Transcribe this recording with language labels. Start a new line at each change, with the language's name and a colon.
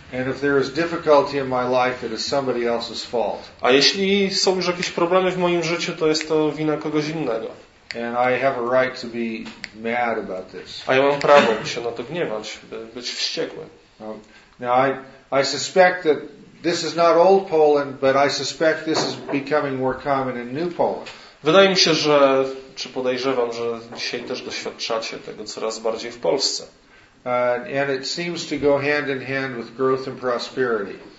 English: And if there is difficulty in my life, it is somebody else's fault.
Polish: A jeśli są już jakieś problemy w moim życiu, to jest to wina kogoś innego.
English: And I have a right to be mad about this.
Polish: A ja mam prawo się na to gniewać, być wściekły.
English: Now I suspect that this is not old Poland, but I suspect this is becoming more common in new Poland.
Polish: Wydaje mi się, że czy podejrzewam, że dzisiaj też doświadczacie tego coraz bardziej w Polsce.
English: And it seems to go hand in hand with growth and prosperity.